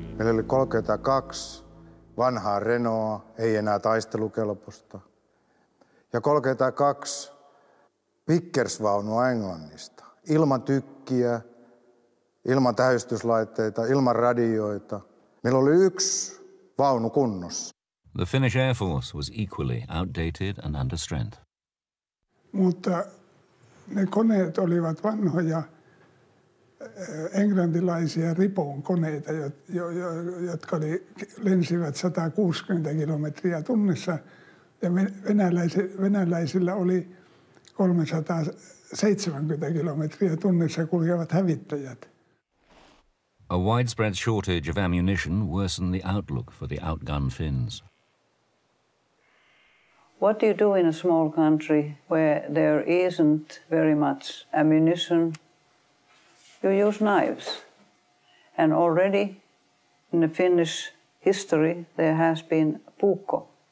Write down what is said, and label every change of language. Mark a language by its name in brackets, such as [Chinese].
[Finnish] Meillä oli 32 vanhaa Renaulta, ei enää taistelukelpoista. Ja 32 Vickers-vaunua Englannista. Ilman tykkiä, ilman tähystyslaitteita, ilman radioita. Meillä oli yksi vaunu kunnossa. [English] The Finnish Air Force was equally outdated and under strength. [Finnish] Mutta ne koneet olivat vanhoja englantilaisia ripon koneita, jotka lensivät 160 kilometriä tunnissa. Ja venäläisillä oli 370 kilometriä tunnissa kulkevat hävittäjät. [English] A widespread shortage of ammunition worsened the outlook for the outgunned Finns. What do you do in a small country where there isn't very much ammunition? You use knives. And already in the Finnish history there has been puukko.